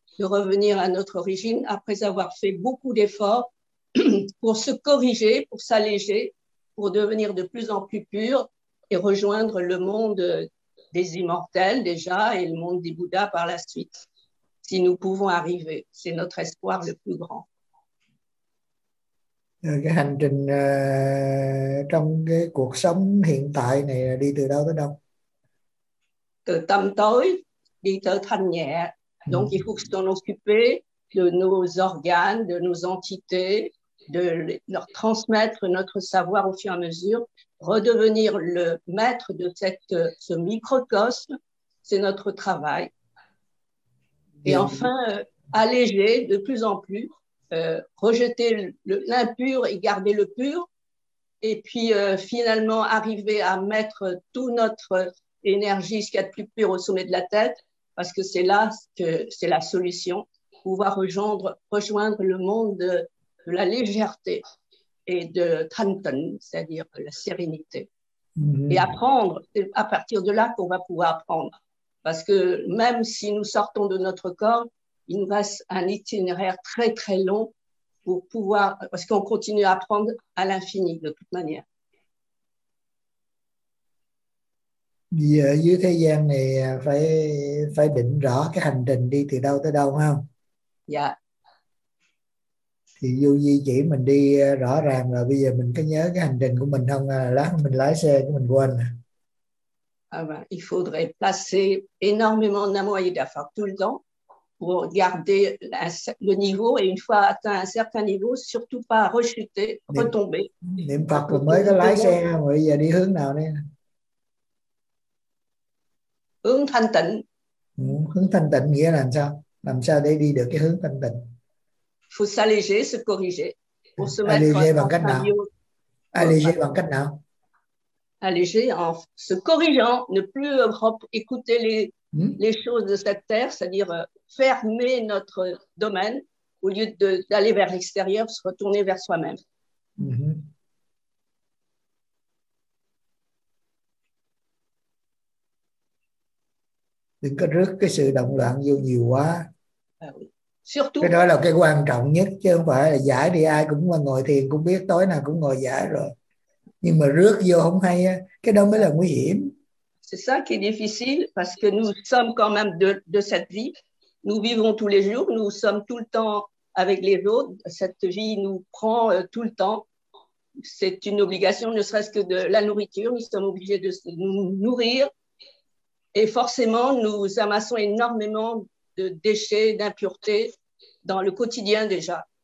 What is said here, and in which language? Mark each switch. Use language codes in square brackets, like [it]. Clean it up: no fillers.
[fr] de revenir à notre origine après avoir fait beaucoup d'efforts pour se corriger, pour s'alléger, pour devenir de plus en plus pur et rejoindre le monde des immortels déjà et le monde des Bouddhas par la suite, si nous pouvons arriver. C'est notre espoir le plus grand. [vi] Cái hành trình trong cái cuộc sống hiện tại này đi từ đâu tới đâu? Từ tâm tối đi tới thanh nhẹ. [fr] Donc il faut s'en occuper de nos organes, de nos entités, de leur transmettre notre savoir au fur et à mesure, redevenir le maître de cette, ce microcosme, c'est notre travail. Et enfin, alléger de plus en plus, rejeter l'impur et garder le pur, et puis finalement arriver à mettre toute notre énergie, ce qu'il y a de plus pur, au sommet de la tête, parce que c'est là que c'est la solution, pouvoir rejoindre le monde de la légèreté et de Thanten, c'est-à-dire la sérénité. Mm-hmm. Et apprendre, c'est à partir de là qu'on va pouvoir apprendre. Parce que même si nous sortons de notre corps, il nous reste un itinéraire très très long pour pouvoir, parce qu'on continue à apprendre à l'infini de toute manière. [vi] Giờ dưới thế gian này phải phải định rõ cái hành trình đi từ đâu tới đâu không? Dạ. Thì dù gì chỉ mình đi rõ ràng là bây giờ mình có nhớ cái hành trình của mình không? Lát mình lái xe của mình quên. [fr] Il faudrait placer énormément de moyens d'effort tout le temps pour garder le niveau et une fois atteint un certain niveau, surtout pas rechuter, retomber. [vi] Niệm Phật rồi mới có lái xe, mà bây giờ đi hướng nào đây? Hướng thanh tịnh. Hướng thanh tịnh nghĩa là làm sao? Làm sao để đi được cái hướng thanh tịnh? [fr] Faut s'alléger, se corriger. [vi] Alléger bằng cách nào? Alléger bằng cách nào? [fr] Alléger en se corrigeant, ne plus écouter les choses de cette terre, c'est-à-dire fermer notre domaine au lieu de, d'aller vers l'extérieur, se retourner vers soi-même. [vi] Đừng có rước cái sự động loạn vô nhiều quá. [fr] Surtout, [vi] cái đó là cái quan trọng nhất chứ không phải là giải đi, ai cũng mà ngồi thiền cũng biết tối nào cũng ngồi giải rồi. Nhưng mà rước vô không hay á, cái đó mới là nguy hiểm. [fr] C'est ça qui est difficile parce que nous sommes quand même de cette vie. Nous vivons tous les jours, nous sommes tout le temps avec les autres. Cette vie nous prend tout le temps. C'est une obligation, ne serait-ce que de la nourriture. Nous sommes obligés de nous nourrir. Et forcément, nous amassons énormément de déchets, d'impuretés dans le quotidien déjà.